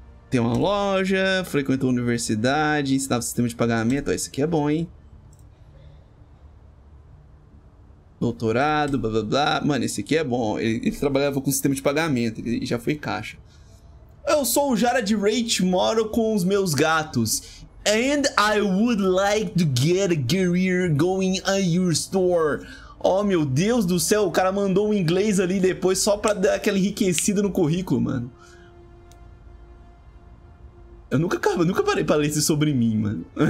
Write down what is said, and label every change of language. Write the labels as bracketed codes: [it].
[pt] Tem uma loja, frequentou a universidade, ensinava sistema de pagamento. Ó, isso aqui é bom, hein? Doutorado, blá, blá, blá. Mano, esse aqui é bom. Ele trabalhava com sistema de pagamento. Ele já foi caixa. Eu sou o Jared Rate, moro com os meus gatos. [en] And I would like to get a career going at your store. [pt] Oh, meu Deus do céu. O cara mandou um inglês ali depois só pra dar aquela enriquecida no currículo, mano. Eu nunca parei pra ler isso sobre mim, mano.